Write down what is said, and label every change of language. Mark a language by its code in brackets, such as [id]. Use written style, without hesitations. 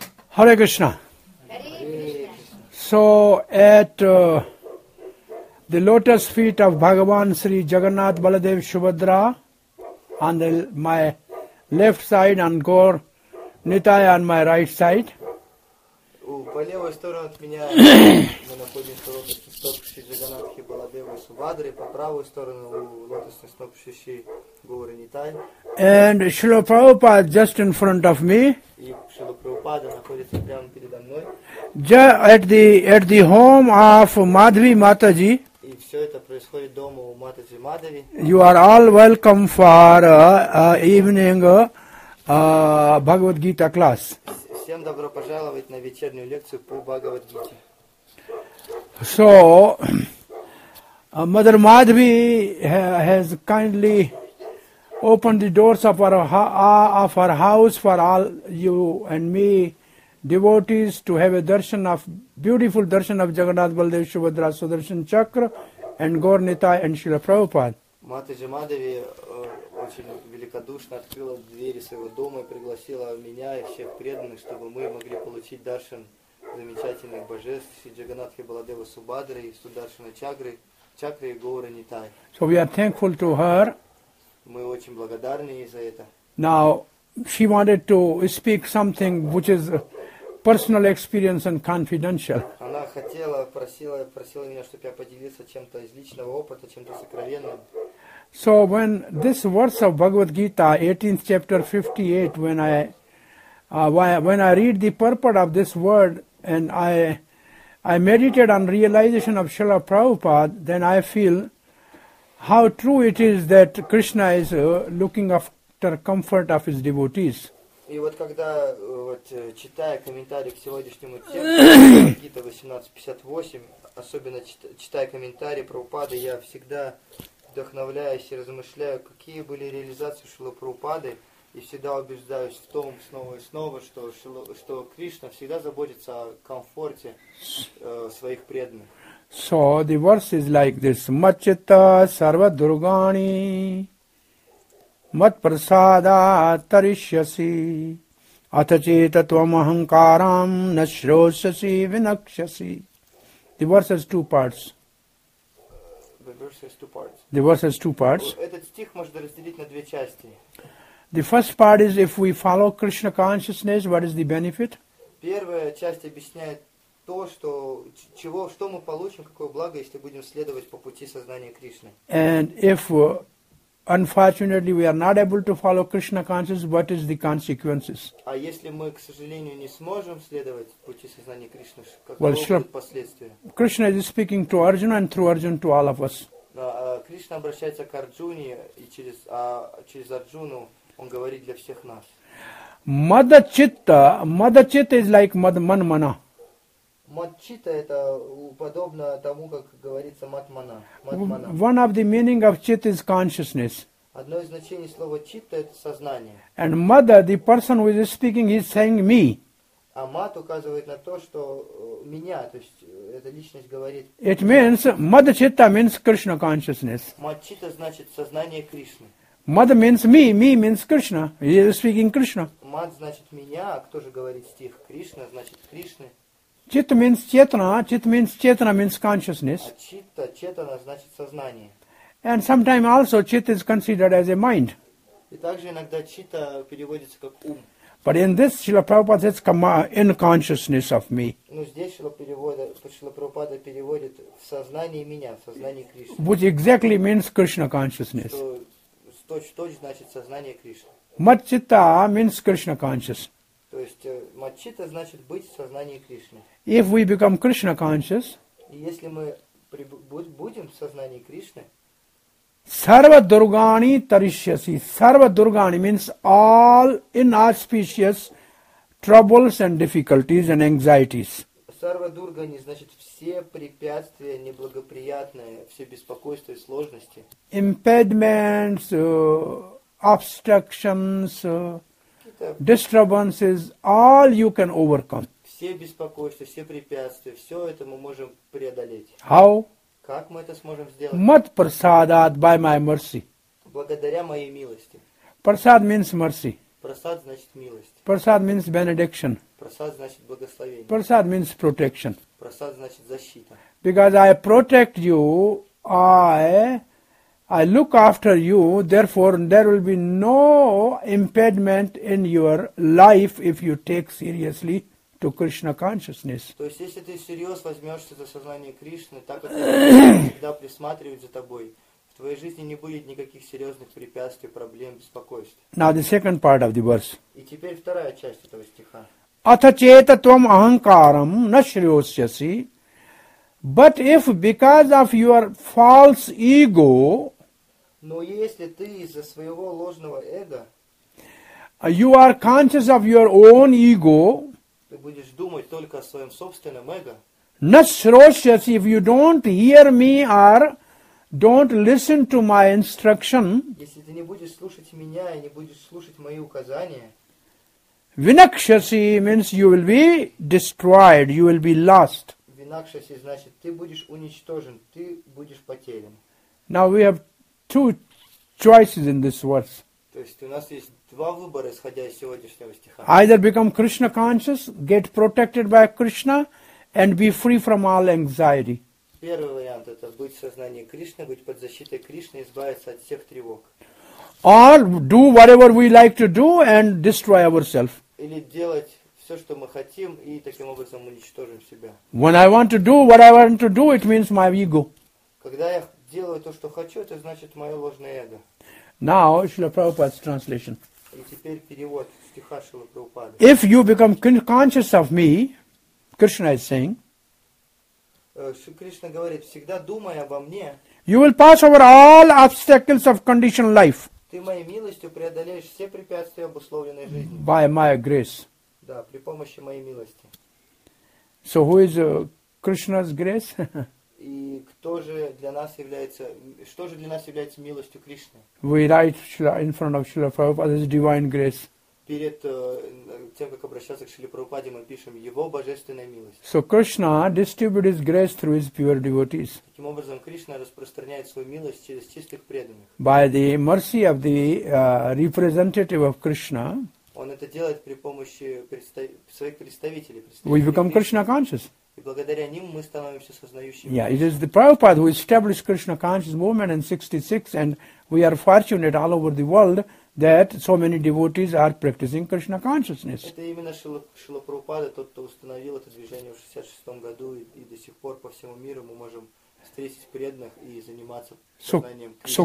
[en] Hare Krishna. So at the lotus feet of Bhagavan Sri Jagannath Baladev Subhadra, on the, my left side, and Gaur Nitaya on my right side. [ru] по левую сторону от меня мы находимся лотосный стоп Шри Джаганатхи Баладева Субхадри, по правую сторону лотосный стоп Шри Гоури Нитай. [en] And Srila Prabhupada just in front of me. [ru] И Шрила Прабхупада находится прямо передо мной. [en] At the home of Madhavi Mataji. [ru] И все это происходит дома у Матаджи Мадхави. [en] You are all welcome for evening Bhagavad Gita class. [ru] Всем добро пожаловать на вечернюю лекцию по Бхагавад Гите. [en] So, Mother Madhavi has kindly opened the doors of our house for all you and me devotees to have a darshan of beautiful darshan of Jagannath Baladev Subhadra Sudarshan Chakra and Gaur Nitai and Srila Prabhupada. [ru] Матаджи Мадхави очень великодушно открыла двери своего дома и пригласила меня и всех преданных, чтобы мы могли получить даршан замечательных божеств Шри Джаганатхи Баладева Субхадры и Сударшана Чакры и Гоура Нитай. [en] So we are thankful to her. [ru] Мы очень благодарны ей за это. [en] Now, she wanted to speak something which is personal experience and confidential. [ru] Она хотела, просила меня, чтобы я поделился чем-то из личного опыта, чем-то сокровенным. [en] So when this verse of Bhagavad Gita, 18th chapter 58, when I read the purport of this word and I meditate on realization of Srila Prabhupada, then I feel how true it is that Krishna is looking after comfort of his devotees. [ru] И вот когда вот читая комментарий к сегодняшнему тексту Бхагавад Гита 18:58, особенно читая комментарии Прабхупады, я всегда вдохновляясь и размышляю, какие были реализации Шрилы Прабхупады, и всегда убеждаюсь в том снова и снова, что Кришна всегда заботится о комфорте своих преданных. [sa] So the verse is like this: Machita Sarva Durgani Mat Prasada Tarishyasi Atacheta Tvamahankaram Nashrosasi Vinakshasi. [en] The verse has two parts. The verse has two parts. [ru] Этот стих можно разделить на две части. [en] The first part is if we follow Krishna consciousness, what is the benefit? [ru] Первая часть объясняет то, что мы получим, какое благо, если будем следовать по пути сознания Кришны. [en] And if unfortunately we are not able to follow Krishna consciousness, what is the consequences? [ru] А если мы, к сожалению, не сможем следовать пути сознания Кришны, каковы будут последствия? [en] Krishna is speaking to Arjuna and through Arjuna to all of us. [ru] Кришна обращается к Арджуне и через Арджуну он говорит для всех нас. [en] Мадачитта is like мадмана. [ru] Мадчитта это подобно тому, как говорится матмана. [en] One of the meaning of chitta is consciousness. [ru] Одно из значений слова читта это сознание. [en] And мада, the person who is speaking, is saying me. [ru] А мат указывает на то, что меня, то есть эта личность говорит. [en] It means мадачитта means Krishna consciousness. [ru] Мадчитта значит сознание Кришны. [en] Mad means me, me means Krishna. He is speaking Krishna. [ru] Мат значит меня, а кто же говорит стих? Кришна значит Кришны. [en] Chitta means chetana, chitta means chetana means consciousness. [ru] А читта, четана значит сознание. [en] And sometimes also chitta is considered as a mind. [ru] И также иногда читта переводится как ум. [en] But in this, Srila Prabhupada says, come in consciousness of me. [ru] Но здесь Srila Prabhupada переводит в сознание меня, в сознание Кришны. [en] Which exactly means Krishna consciousness. [ru] Что точь-в-точь значит сознание Кришны. [en] Мадчитта means Krishna consciousness. [ru] То есть мадчитта значит быть в сознании Кришны. [en] If we become Krishna conscious, [ru] если мы будем в сознании Кришны, [sa] Sarva Durgani Tarishyasi. [en] Sarva Durgani means all inauspicious troubles and difficulties and anxieties. [ru] Sarva Durgani значит все препятствия неблагоприятные, все беспокойства и сложности. [en] Impediments, obstructions, disturbances, all you can overcome. [ru] Все беспокойства, все препятствия, все это мы можем преодолеть. [en] How? [ru] Как мы это сможем сделать? [sa] Mat prasadat [en] by my mercy. [ru] Благодаря моей милости. [en] Prasad means mercy. [ru] Prasad значит милость. [en] Prasad means benediction. [ru] Prasad значит благословение. [en] Prasad means protection. [ru] Prasad значит защита. [en] Because I protect you, I look after you, therefore there will be no impediment in your life if you take seriously to Krishna consciousness. [ru] То есть если ты всерьез возьмешься за сознание Кришны, так как всегда присматривают за тобой, в твоей жизни не будет никаких серьезных препятствий, проблем, беспокойств. [en] Now the second part of the verse. [ru] И теперь вторая часть этого стиха. [sa] Атха чета твам аханкарам на шриосьяси. [en] But if because of your false ego, [ru] но если ты из-за своего ложного эго, [en] you are conscious of your own ego, [ru] ты будешь думать только о своем собственном эго, [sa] на шриосьяси, [en] if you don't hear me or don't listen to my instruction, [ru] если ты не будешь слушать меня и не будешь слушать мои указания, [en] Vinakshasi means you will be destroyed, you will be lost. [ru] Vinakshasi значит ты будешь уничтожен, ты будешь потерян. [en] Now we have two choices in this verse. [ru] То есть у нас есть два выбора, исходя из сегодняшнего стиха. [en] Either become Krishna conscious, get protected by Krishna, and be free from all anxiety. [ru] Первый вариант это быть в сознании Кришны, быть под защитой Кришны, избавиться от всех тревог. [en] Or do whatever we like to do and destroy ourselves. [ru] Или делать все, что мы хотим, и таким образом уничтожим себя. [en] When I want to do what I want to do, it means my ego. [ru] Когда я делаю то, что хочу, это значит мое ложное эго. [en] Now, Srila Prabhupada's translation. [ru] И теперь перевод стиха Шрилы Прабхупады. [en] If you become conscious of me, Krishna is saying, [ru] Кришна говорит, всегда думай обо мне, [en] you will pass over all obstacles of conditioned life. [ru] Ты моей милостью преодолеешь все препятствия обусловленной жизни. [en] By my grace. [ru] Да, при помощи моей милости. [en] So who is Krishna's grace? [ru] И кто же для нас является, что же для нас является милостью Кришны? [en] We write in front of Srila Prabhupada as divine grace. [ru] Перед тем, как обращаться к Шриле Прабхупаде, мы пишем Его божественная милость. [en] So Krishna distributes His grace through His pure devotees. [ru] Таким образом, Кришна распространяет свою милость через чистых преданных. [en] By the mercy of the representative of Krishna, [ru] Он это делает при помощи своих представителей. [en] We become Krishna conscious. [ru] И благодаря ним мы становимся сознающими. [en] Yeah, it is the Prabhupada who established Krishna conscious movement in 66, and we are fortunate all over the world that so many devotees are practicing Krishna consciousness. [ru] Это именно Шрила Прабхупада, тот, кто установил это движение в 66 году, и до сих пор по всему миру мы можем встретить преданных и заниматься сознанием Кришны.